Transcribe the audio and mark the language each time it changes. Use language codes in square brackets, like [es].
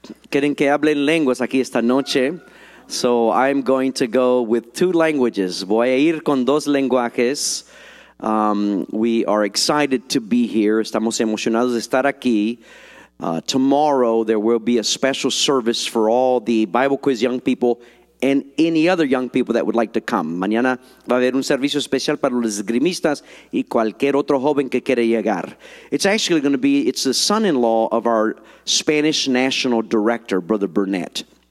[es] Quieren que hable en lenguas aquí esta noche. [en] So I'm going to go with two languages. [es] Voy a ir con dos lenguajes. [en] We are excited to be here. [es] Estamos emocionados de estar aquí. [en] Tomorrow there will be a special service for all the Bible Quiz young people and any other young people that would like to come. [es] Mañana va a haber un servicio especial para los esgrimistas y cualquier otro joven que quiera llegar. [en] It's actually going to be, it's the son-in-law of our Spanish National Director, Brother Burnett.